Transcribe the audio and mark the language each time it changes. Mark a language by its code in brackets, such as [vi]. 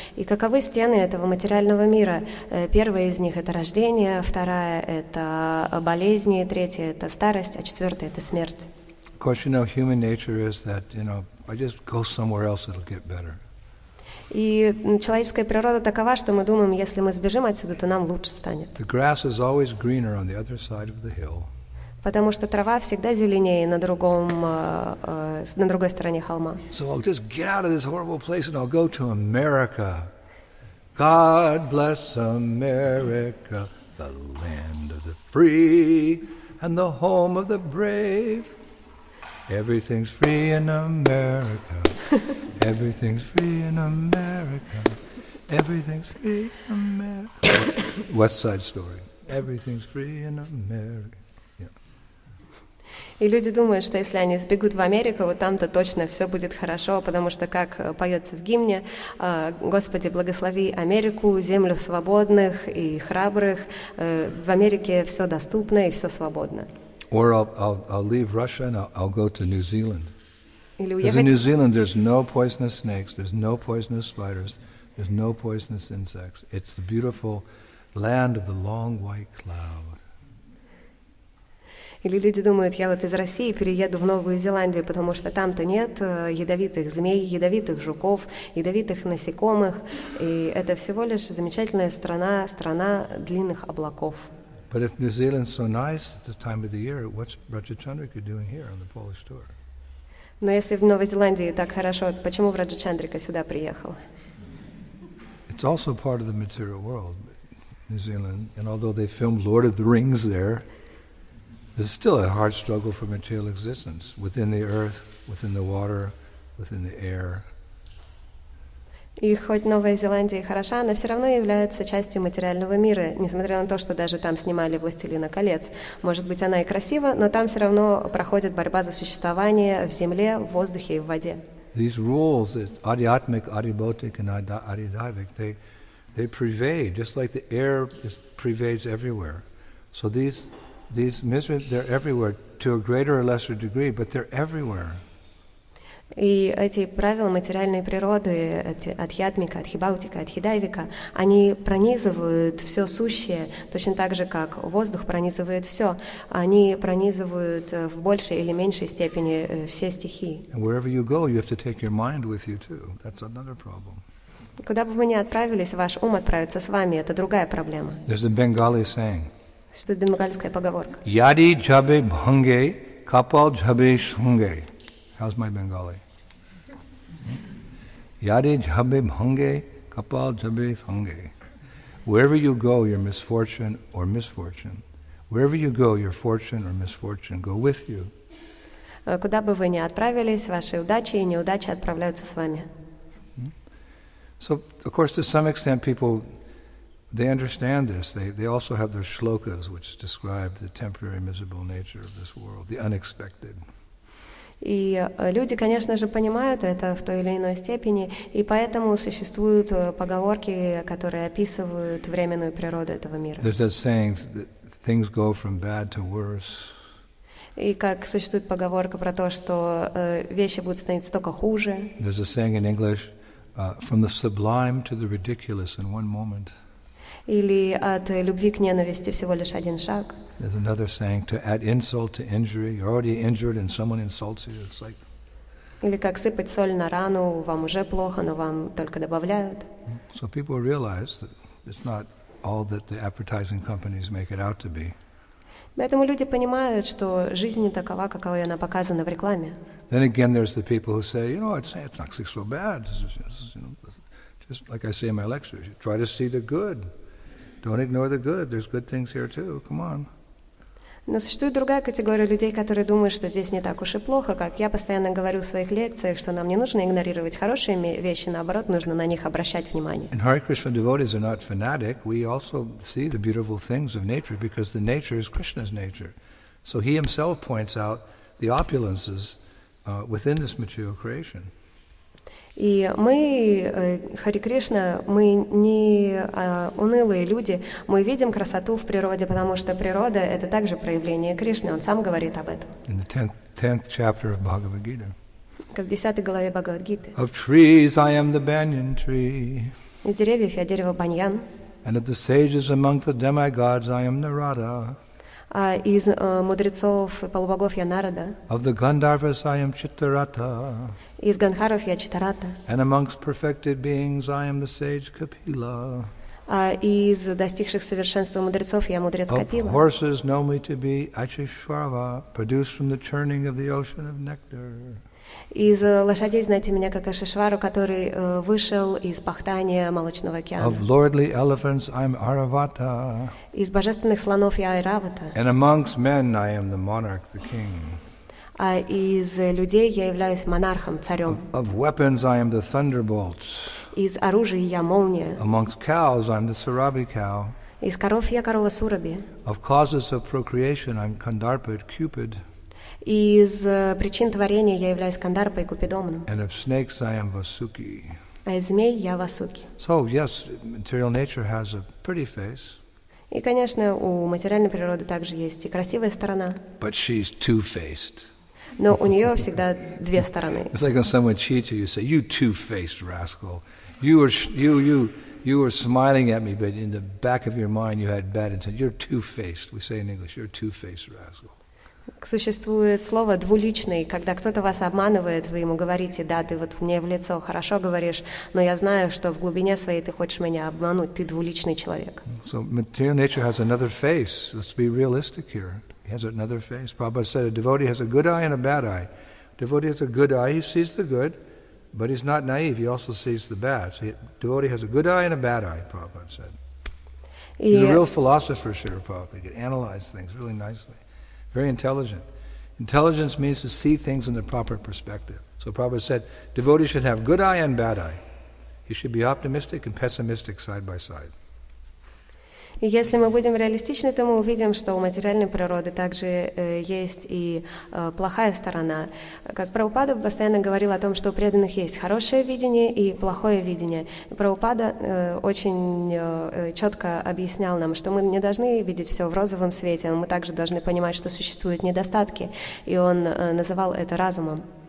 [ru] И каковы стены этого материального мира? Первая из них — это рождение, вторая — это болезни, третья — это старость, а четвертая — это смерть. [en] Of course, you know, human nature is that, you know, I just go somewhere else, it'll get better. [ru] И человеческая природа такова, что мы думаем, если мы сбежим отсюда, то нам лучше станет. [en] The grass is always greener on the other side of the hill. [ru] Потому что трава всегда зеленее на другой стороне холма. [en] So I'll just get out of this horrible place and I'll go to America. God bless America, the land of the free and the home of the brave. Everything's free in America. Everything's free in America. Everything's free in America. West Side Story. Everything's free in America. [ru] И люди думают, что если они сбегут в Америку, вот там-то точно все будет хорошо, потому что, как поется в гимне, Господи, благослови Америку, землю свободных и храбрых. В Америке все доступно и все свободно. [en] Or I'll leave Russia and I'll go to New Zealand. Because in New Zealand there's no poisonous snakes, there's no poisonous spiders, there's no poisonous insects. It's the beautiful land of the long white cloud. [ru] Или люди думают, я вот из России перееду в Новую Зеландию, потому что там-то нет ядовитых змей, ядовитых жуков, ядовитых насекомых, и это всего лишь замечательная страна, страна длинных облаков. [en] But if New Zealand's so nice at this time of the year, what's Rajachandrika doing here on the Polish tour? [ru] Но если в Новой Зеландии так хорошо, почему Раджачандрика сюда приехал? [en] It's also part of the material world, New Zealand, and although they filmed Lord of the Rings there, there's still a hard struggle for material existence within the earth, within the water, within the air. [ru] И хоть Новая Зеландия и хороша, она все равно является частью материального мира, несмотря на то, что даже там снимали «Властелина колец». Может быть, она и красива, но там все равно проходит борьба за существование в земле, в воздухе и в воде. [en] These rules, adiatmic, adibhautic, and adidaivic, they pervade, just like the air pervades everywhere. So these These miseries, they're everywhere, to a greater or lesser degree, but they're everywhere. [ru] И эти правила материальной природы, эти адхьятмика, адхибаутика, адхидайвика, они пронизывают все сущее, точно так же, как воздух пронизывает все. Они пронизывают в большей или меньшей степени все стихии. Куда бы вы ни отправились, ваш ум отправится с вами, это другая проблема. [en] There's a Bengali saying. [ru] Что это бенгальская поговорка? [bn] Яди джабе бхунге, капал джабе шунге. [en] How's my Bengali? [bn] Yadi jhabe bhange, kapal jhabe phange. [en] Wherever you go, your misfortune or misfortune. Wherever you go, your fortune or misfortune go with you. [ru] Куда бы вы ни отправились, ваши удачи и неудачи отправляются с вами. [en] So, of course, to some extent, people, they understand this. They also have their shlokas, which describe the temporary miserable nature of this world, the unexpected. [ru] И люди, конечно же, понимают это в той или иной степени, и поэтому существуют поговорки, которые описывают временную природу этого мира. [en] There's that saying that things go from bad to worse. [ru] И как существует поговорка про то, что вещи будут становиться только хуже. [en] There's a saying in English, from the sublime to the ridiculous in one moment. [ru] Или от любви к ненависти всего лишь один шаг. [en] There's another saying, to add insult to injury. You're already injured and someone insults you. It's like... [ru] Или как сыпать соль на рану, вам уже плохо, но вам только добавляют. [en] So people realize that it's not all that the advertising companies make it out to be. [ru] Поэтому люди понимают, что жизнь не такова, какой она показана в рекламе. [en] Then again, there's the people who say, you know, I'd say it's not so bad. It's, you know, just like I say in my lectures, you try to see the good. Don't ignore the good. There's good things here too. Come on. [ru] Но существует другая категория людей, которые думают, что здесь не так уж и плохо, как я постоянно говорю в своих лекциях, что нам не нужно игнорировать хорошие вещи, наоборот, нужно на них обращать внимание. [en] And Hare Krishna devotees are not fanatic. We also see the beautiful things of nature because the nature is Krishna's nature. So he himself points out the opulences within this material creation. [ru] И мы, Хари Кришна, мы не унылые люди, мы видим красоту в природе, потому что природа — это также проявление Кришны, Он сам говорит об этом. [en] In the tenth chapter of Bhagavad-gita. [ru] Как в 10 главе Бхагавад-гиты. [en] Of trees I am the banyan tree. [ru] Из деревьев я дерево баньян. [en] And of the sages among the demigods I am Narada. [ru] Из мудрецов и полубогов я Нарада. [en] Of the Gandharvas I am Chittarata. [ru] Из Гандхаров я Читарата. [en] And amongst perfected beings I am the sage Kapila. [ru] Из достигших совершенства мудрецов я мудрец Капила. [en] Of horses know me to be Achishvara, produced from the churning of the ocean of nectar. [ru] Из лошадей знаете меня как Ашишвару, который вышел из пахтания молочного океана. [en] Of lordly elephants I'm Aravata. [ru] Из божественных слонов я Айравата. [en] And amongst men I am the monarch, the king. [ru] Из людей я являюсь монархом, царем. [en] Of weapons I am the thunderbolt. [ru] Из оружия я молния. [en] Amongst cows I'm the Sarabi cow. [ru] Из коров я корова Сураби. [en] Of causes of procreation I'm Kandarpid, Cupid. [ru] Из причин творения я являюсь Кандарпой и Купидомном. [en] And of snakes I am Vasuki. [ru] А из змей я Васуки. [en] So, yes, material nature has a pretty face. [ru] И, конечно, у материальной природы также есть и красивая сторона. [en] But she's two-faced. [ru] Но у нее всегда две стороны. [en] It's like when someone cheats you, you say, you two-faced rascal. You were smiling at me, but in the back of your mind you had bad intent. You're two-faced. We say in English, you're two-faced rascal. [ru] Существует слово «двуличный». Когда кто-то вас обманывает, вы ему говорите, да, ты вот мне в лицо хорошо говоришь, но я знаю, что в глубине своей ты хочешь меня обмануть, ты двуличный человек. [en] So material nature has another face. Let's be realistic here. He has another face. Prabhupada said, a devotee has a good eye and a bad eye. A devotee has a good eye, he sees the good, but he's not naive, he also sees the bad. So a devotee has a good eye and a bad eye, Prabhupada said. He's a real philosopher, Srila Prabhupada. He could analyze things really nicely. Very intelligent. Intelligence means to see things in the proper perspective. So Prabhupada said, devotees should have good eye and bad eye. He should be optimistic and pessimistic side by side. [ru] Если мы будем реалистичны, то мы увидим, что у материальной природы также есть и плохая сторона. Как Прабхупада постоянно говорил о том, что у преданных есть хорошее видение и плохое видение. Прабхупада очень четко объяснял нам, что мы не должны видеть все в розовом свете, мы также должны понимать, что существуют недостатки, и он называл это разумом.